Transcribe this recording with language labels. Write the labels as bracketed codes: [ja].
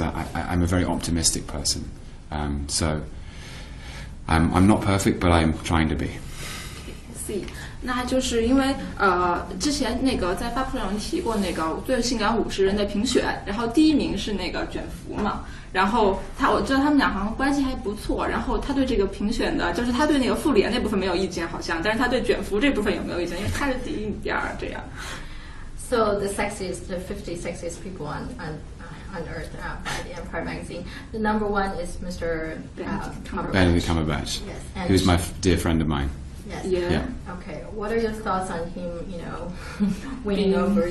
[en] I'm a very optimistic person. So I'm not perfect, but I'm trying to be. See. [zh] 那就是因为之前那个在发布会上提过那个最性感50人的评选，然后第一名是那个卷福嘛，然后他，我知道他们俩好像关系还不错，然后他对这个评选的，就是他对那个复联那部分没有意见好像，但是他对卷福这部分有没有意见，因为他是第一第二这样。 [en] So the sexiest, the 50 sexiest people on Earth by the Empire magazine, the number one is Mr. Benedict Cumberbatch. Yes, he was my dear friend of mine. Yes. Yeah. Okay. What are your thoughts on him, winning over you?